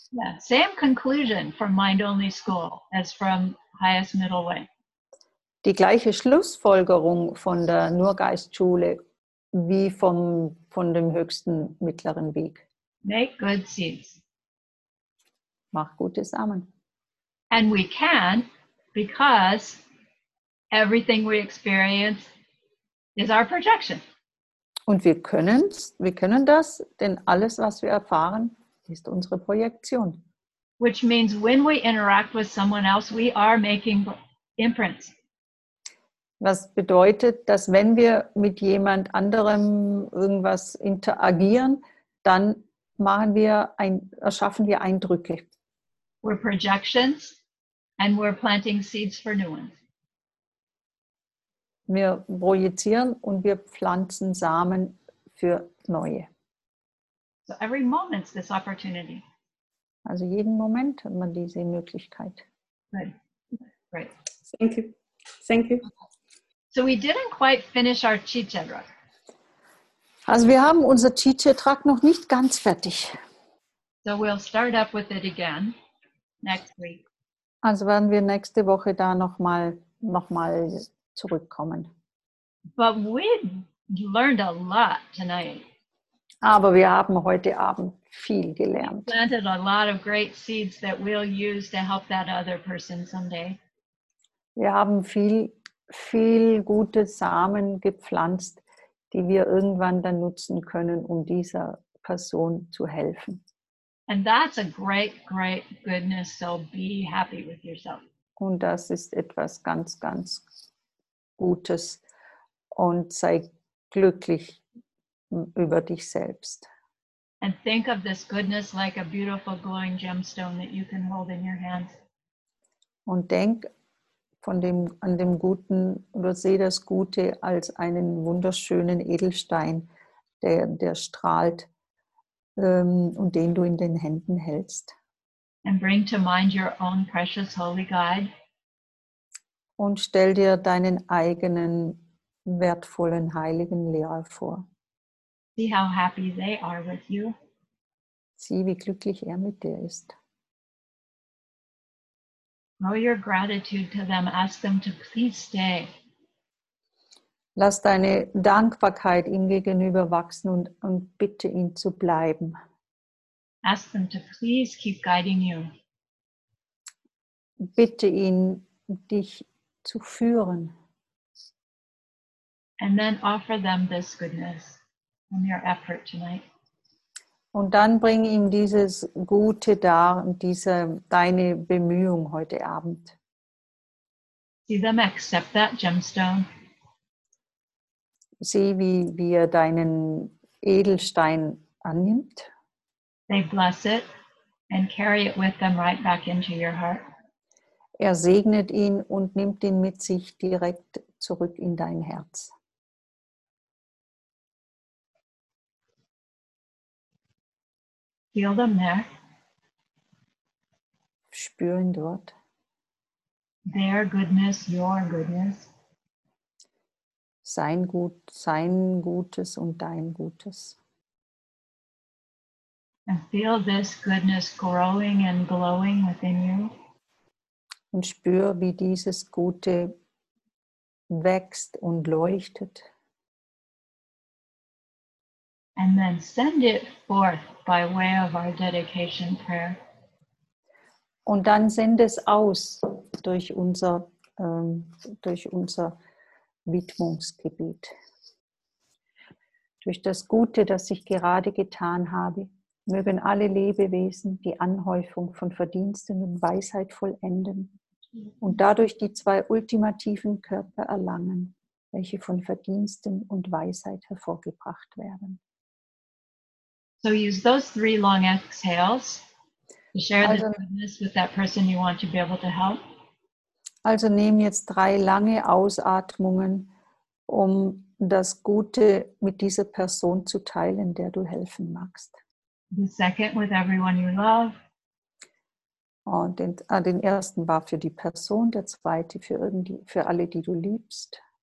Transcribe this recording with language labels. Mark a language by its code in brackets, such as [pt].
[en] Yeah, same conclusion from mind-only school as from highest middle way. [de] Die gleiche Schlussfolgerung von der Nurgeistschule wie von dem höchsten mittleren Weg. [en] Make good seeds. [de] Mach gute Samen. [en] And we can, because everything we experience is our projection. [de] Und wir können das, denn alles, was wir erfahren, ist unsere Projektion. [en] Which means when we interact with someone else, we are making imprints. [de] Was bedeutet, dass wenn wir mit jemand anderem irgendwas interagieren, dann erschaffen wir Eindrücke. [en] We're projections and we're planting seeds for new ones. [de] Wir projizieren und wir pflanzen Samen für neue. [en] So every moment's this opportunity. [de] Also jeden Moment hat man diese Möglichkeit. [en] Right. Thank you. So we didn't quite finish our Chi Chedra. [de] Also wir haben unser Chi Chedra noch nicht ganz fertig. [en] So we'll start up with it again next week. [de] Also werden wir nächste Woche da nochmal zurückkommen. [en] But we learned a lot tonight. [de] Aber wir haben heute Abend viel gelernt. [en] We planted a lot of great seeds that we'll use to help that other person someday. [de] Wir haben viel gute Samen gepflanzt, die wir irgendwann dann nutzen können, um dieser Person zu helfen. [en] And that's a great, great goodness, so be happy with yourself. [de] Und das ist etwas ganz, ganz Gutes und sei glücklich über dich selbst. [en] And think of this goodness like a beautiful glowing gemstone that you can hold in your hands. [de] Und denk an dem Guten oder sehe das Gute als einen wunderschönen Edelstein, der strahlt und den du in den Händen hältst. [en] And bring to mind your own precious holy guide. [de] Und stell dir deinen eigenen wertvollen heiligen Lehrer vor. [en] See how happy they are with you. [de] Sieh, wie glücklich er mit dir ist. [en] Show your gratitude to them. Ask them to please stay. [de] Lass deine Dankbarkeit ihm gegenüber wachsen und bitte ihn zu bleiben. [en] Ask them to please keep guiding you. [de] Bitte ihn, dich zu führen. [en] And then offer them this goodness from your effort tonight. [de] Und dann bring ihm dieses Gute dar, deine Bemühung heute Abend. [en] See them accept that gemstone. [de] Sieh, wie er deinen Edelstein annimmt. [en] They bless it and carry it with them right back into your heart. [de] Er segnet ihn und nimmt ihn mit sich direkt zurück in dein Herz. [en] Feel them there. [de] Spür ihn dort. [en] Their goodness, your goodness. [de] Sein Gutes und dein Gutes. [en] And feel this goodness growing and glowing within you. [de] Und spür, wie dieses Gute wächst und leuchtet. [en] And then send it forth by way of our dedication prayer. [de] Und dann send es aus durch unser Widmungsgebet. Durch das Gute, das ich gerade getan habe, mögen alle Lebewesen die Anhäufung von Verdiensten und Weisheit vollenden und dadurch die zwei ultimativen Körper erlangen, welche von Verdiensten und Weisheit hervorgebracht werden. [en] So use those three long exhales to share the goodness with that person you want to be able to help. [de] Also nehmen jetzt drei lange Ausatmungen, um das Gute mit dieser Person zu teilen, der du helfen magst. [en] The second with everyone you love. [de] Und den ersten war für die Person, der zweite für alle, die du liebst.